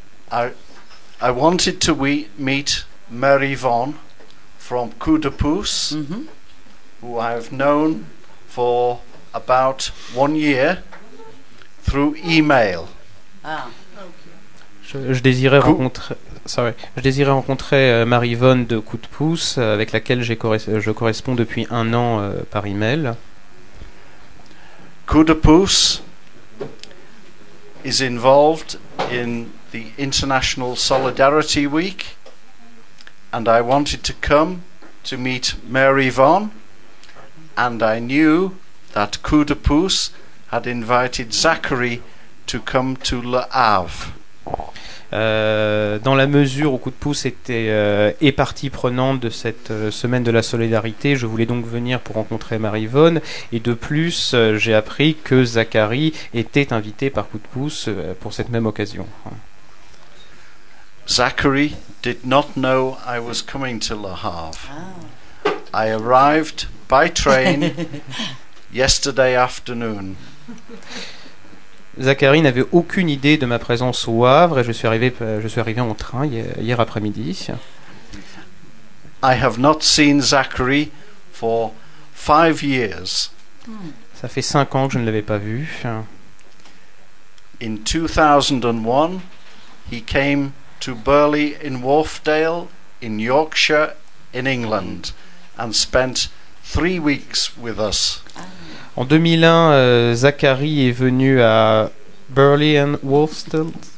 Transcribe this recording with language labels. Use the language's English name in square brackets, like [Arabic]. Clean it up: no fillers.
[English] I wanted to meet Mary Vaughan from Coup de Pouce, mm-hmm. who I've known for about 1 year through email. [French] Je désirais rencontrer Marie-Yvonne de Coup de Pouce, avec laquelle je corresponds depuis un an par email. [English] Coup de Pouce is involved in the International Solidarity Week, and I wanted to come to meet Marie-Yvonne, and I knew that Coup de Pouce had invited Zachary to come to Le Havre. [French] Dans la mesure où Coup de Pouce était est partie prenante de cette semaine de la solidarité, je voulais donc venir pour rencontrer Marie-Yvonne, et de plus j'ai appris que Zachary était invité par Coup de Pouce pour cette même occasion. [English] Zachary did not know I was coming to Le Havre. I arrived by train yesterday afternoon. [French] Zachary n'avait aucune idée de ma présence au Havre, et je suis arrivé en train hier après-midi. [English] I have not seen Zachary for 5 years. [French] Ça fait 5 ans que je ne l'avais pas vu. [English] In 2001, he came to Burley in Wharfdale in Yorkshire in England and spent 3 weeks with us. [French] En 2001, Zachary est venu à Burley and Wharfdale.